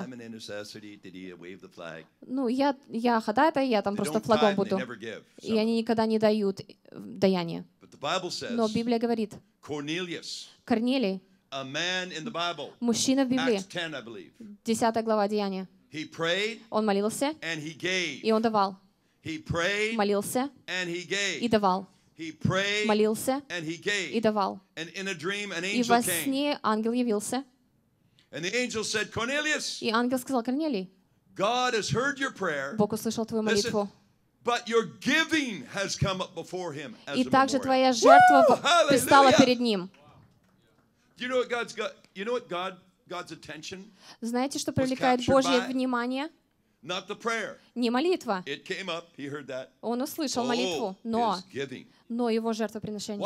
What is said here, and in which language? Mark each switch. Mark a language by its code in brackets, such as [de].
[en] I'm an intercessor, did he wave the flag? [ru] Ну, я ходатай, я там [en] they [ru] просто флагом буду. [en] Never give, so. [ru] И они никогда не дают даяние. [en] But the Bible says, [ru] но Библия говорит, [en] Cornelius, [ru] Корнелий, [en] a man in the Bible, [ru] мужчина в Библии, [en] Acts 10, I believe, [ru] 10 глава Деяния, [en] he prayed, [ru] он молился, [en] and he gave. [ru] И он давал. [en] He prayed, [ru] молился, [en] and he gave. [ru] И давал. [en] He prayed, [ru] молился, [en] and he gave. [ru] И давал. [en] And in a dream, an angel [ru] и во сне [en] came. [ru] Ангел явился. [en] And the angel said, Cornelius. [ru] И ангел сказал, Корнелий. [en] God has heard your prayer. [ru] Бог услышал твою молитву. [en] But your giving has come up before him as a memorial. [ru] И также твоя жертва предстала перед ним. [en] You know what God's got? You know what God's attention? [ru] Знаете, что привлекает Божье внимание? [en] Not the prayer. [ru] Не молитва. [en] It came up, he heard that. [ru] Он услышал молитву, но его жертвоприношение.